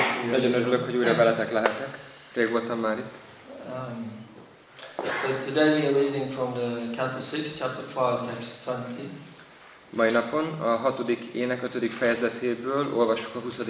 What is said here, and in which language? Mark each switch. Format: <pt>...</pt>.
<hu>Nagyon örülök, hogy újra veletek lehetek. Rég voltam már itt.</hu> <en>So today we are reading from the Canto 6, Chapter 5, Text 20.</en> <hu>Mai napon a hatodik ének ötödik fejezetéből olvassuk a 20.</hu>